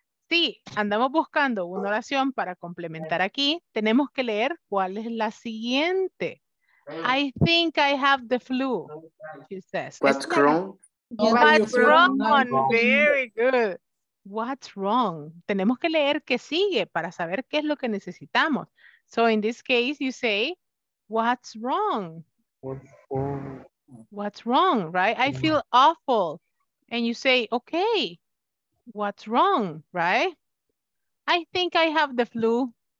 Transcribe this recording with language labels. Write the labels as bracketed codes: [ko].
[es] Sí, andamos buscando una oración para complementar aquí. Tenemos que leer cuál es la siguiente. [en] I think I have the flu, she says. What's wrong? What's wrong? Very good. What's wrong? [es] Tenemos que leer qué sigue para saber qué es lo que necesitamos. [en] So in this case, you say, what's wrong? What's wrong, right? I feel awful. And you say, okay. What's wrong, right? I think I have the flu.